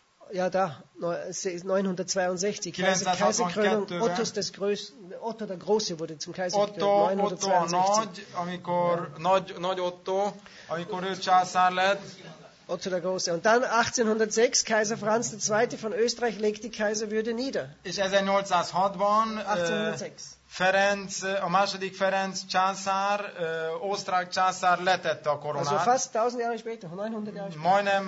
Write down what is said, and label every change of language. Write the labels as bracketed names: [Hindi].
[German] Ja, da, 962, Kaiserkrönung, Otto der Große wurde zum Kaiser gekrönt, 962. [Hungarian] Otto a Nagy, amikor, ja. Nagy Otto, amikor ő császár lett. [German] Otto der Große. Und dann 1806, Kaiser Franz II. Von Österreich legt die Kaiserwürde nieder. [Hungarian] És 1806-ban, Ferenc, a második Ferenc császár, osztrák császár letette a koronát. [German] Also fast 1000 Jahre später, 900 Jahre später.